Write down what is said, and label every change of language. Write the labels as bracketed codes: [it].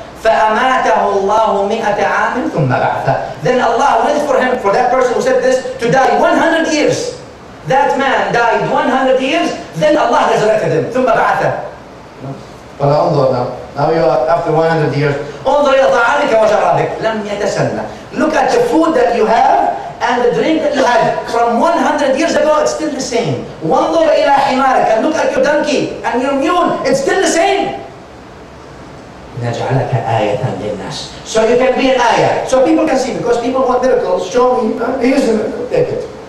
[ar] فَأَمَاتَهُ اللَّهُ مِئَةَ عَامٍ ثُمَّ بَعْثَ [en] Then Allah went for him, for that person who said this, to die 100 years. That man died 100 years, then Allah resurrected him. [ar] ثُمَّ بَعْثَ [en] But [ar] انظر [en] now you are after 100 years. [ar] انظر يا طعامك وشرابك لم يتسنى. [en] Look at the food that you have and the drink that you had from 100 years ago, it's still the same. [ar] وانظر إلى حمارك [en] and look at your donkey and your mule, it's still the same. [ar] نجعلك آية للناس. [en] So you can be an ayah. So people can see because people want miracles. Show me. Here's the miracle. Take it.